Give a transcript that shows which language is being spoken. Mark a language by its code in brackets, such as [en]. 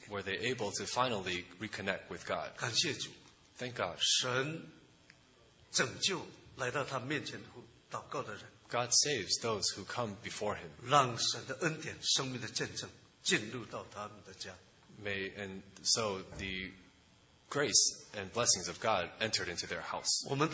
[en] were they able to finally reconnect with God? [zh] 感谢主, [en] thank God. [zh] 神拯救来到他面前祷告的人, [en] God saves those who come before Him. [zh] 让神的恩典生命的见证进入到他们的家, [en] may, and so the grace and blessings of God entered into their house.